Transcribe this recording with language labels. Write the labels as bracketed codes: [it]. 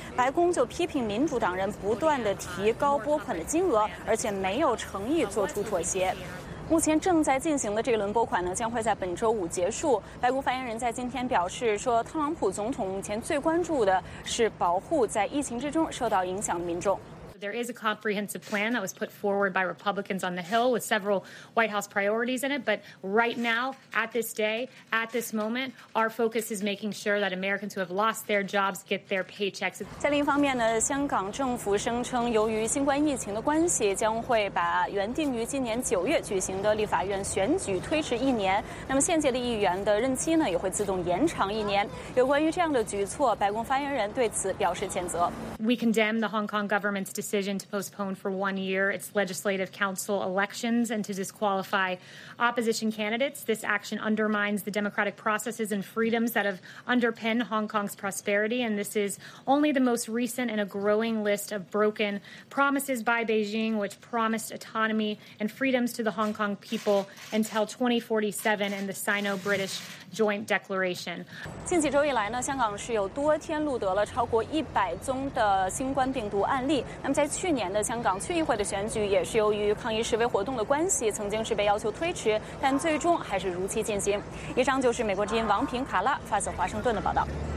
[zh] 白宫就批评民主党人不断地提高拨款的金额，而且没有诚意做出妥协。目前正在进行的这一轮拨款呢，将会在本周五结束。白宫发言人在今天表示说，特朗普总统目前最关注的是保护在疫情之中受到影响的民众。 [en] There is a comprehensive plan that was put forward by Republicans on the Hill with several White House priorities in it. But right now, at this day, at this moment, our focus is making sure that Americans who have lost their jobs get their paychecks. [zh] 在另一方面呢，香港政府声称，由于新冠疫情的关系，将会把原定于今年9月举行的立法院选举推迟一年。那么现届的议员的任期呢，也会自动延长一年。有关于这样的举措，白宫发言人对此表示谴责。 [en] We condemn the Hong Kong government's decision to postpone for 1 year its legislative council elections and to disqualify opposition candidates. This action undermines the democratic processes and freedoms that have underpinned Hong Kong's prosperity. And this is only the most recent in a growing list of broken promises by Beijing, which promised autonomy and freedoms to the Hong Kong people until 2047 in the Sino-British Joint Declaration. [zh] 近几周以来呢，香港是有多天录得了超过100宗的新冠病毒案例。那么在去年的香港区议会的选举也是由于抗议示威活动的关系，曾经是被要求推迟，但最终还是如期进行。以上就是美国之音王平卡拉发自华盛顿的报道。